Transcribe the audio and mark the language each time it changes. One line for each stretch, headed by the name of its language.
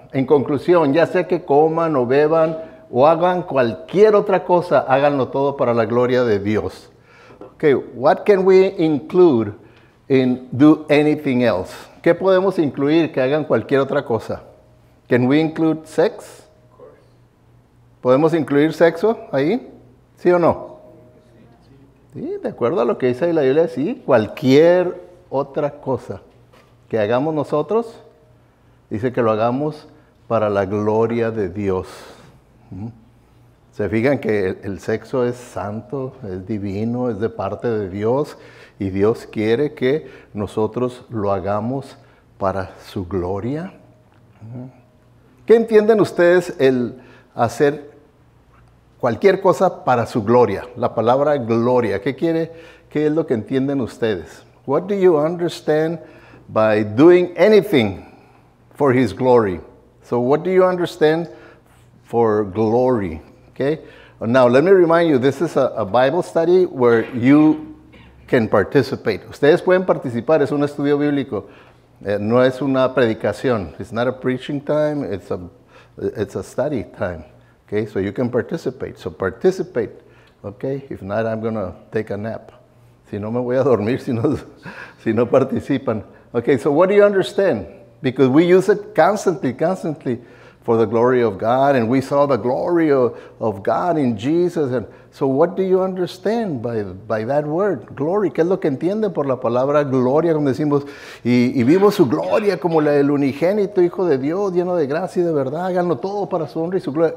Spanish: En conclusión, ya sea que coman o beban o hagan cualquier otra cosa, háganlo todo para la gloria de Dios.
English: Okay, what can we include in do anything else?
Spanish: ¿Qué podemos incluir que hagan cualquier otra cosa?
English: Can we include sex?
Spanish: ¿Podemos incluir sexo ahí? ¿Sí o no? Sí, de acuerdo a lo que dice ahí la Biblia, sí. Cualquier otra cosa que hagamos nosotros, dice que lo hagamos para la gloria de Dios. ¿Se fijan que el sexo es santo, es divino, es de parte de Dios? Y Dios quiere que nosotros lo hagamos para su gloria. ¿Qué entienden ustedes el hacer cualquier cosa para su gloria? La palabra gloria, ¿qué quiere? ¿Qué es lo que entienden ustedes?
English: What do you understand by doing anything for his glory? So what do you understand for glory? Okay. Now let me remind you, this is a Bible study where you can participate.
Spanish: Ustedes pueden participar, es un estudio bíblico. No es una predicación.
English: It's not a preaching time, it's a study time. Okay, so you can participate. So participate. Okay, if not, I'm going to take a nap.
Spanish: Si no, me voy a dormir si no participan.
English: Okay, so what do you understand? Because we use it constantly for the glory of God, and we saw the glory of God in Jesus. And so what do you understand by that word, glory?
Spanish: ¿Qué es lo que entienden por la palabra gloria? Como decimos, y vimos su gloria como la del unigénito Hijo de Dios, lleno de gracia y de verdad, háganlo todo para su honra y su gloria.